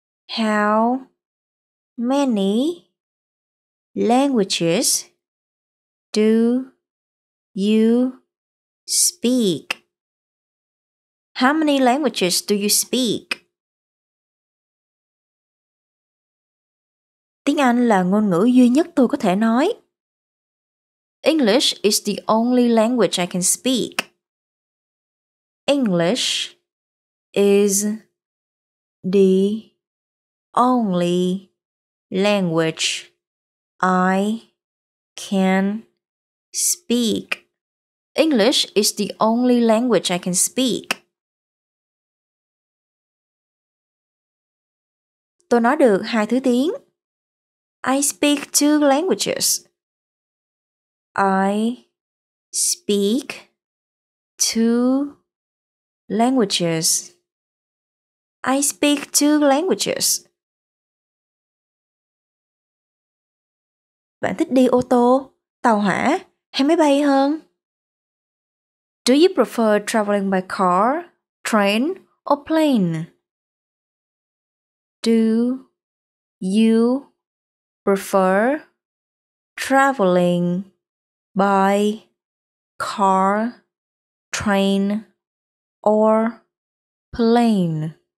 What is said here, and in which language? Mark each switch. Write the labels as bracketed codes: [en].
[en] How many languages do you speak? How many languages do you speak? [vi] Tiếng Anh là ngôn ngữ duy nhất tôi có thể nói. [en] English is the only language I can speak. English is the only language I can speak. English is the only language I can speak. [vi] Tôi nói được 2 thứ tiếng. [en] I speak two languages. I speak two languages. I speak two languages. [vi] Bạn thích đi ô tô, tàu hỏa hay máy bay hơn? [en] Do you prefer traveling by car, train, or plane? Do you prefer traveling by car, train, or plane?